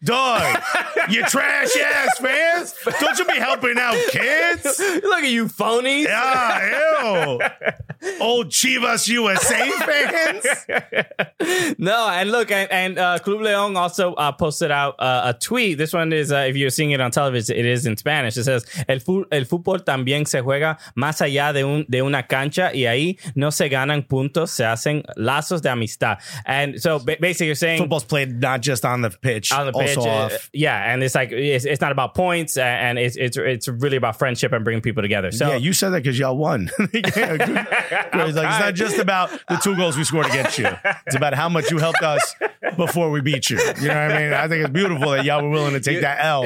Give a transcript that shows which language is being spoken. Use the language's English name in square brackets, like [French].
[English] Dog. You trash ass fans. Don't you be helping out kids. Look at you phonies. Yeah, ew. Old Chivas USA fans. No, and look, and Club León also posted out a tweet. This one is, if you're seeing it on television, it is in Spanish. It says, [Spanish] el fútbol también se juega más allá de una cancha, y ahí no se ganan puntos, se hacen lazos de amistad. [English] And so basically you're saying football's played not just on the pitch also off. Yeah, and it's like it's not about points, and it's really about friendship and bringing people together. So yeah, you said that because y'all won. It's like, it's not just about the two goals we scored against you. It's about how much you helped us before we beat you. You know what I mean? I think it's beautiful that y'all were willing to take that L.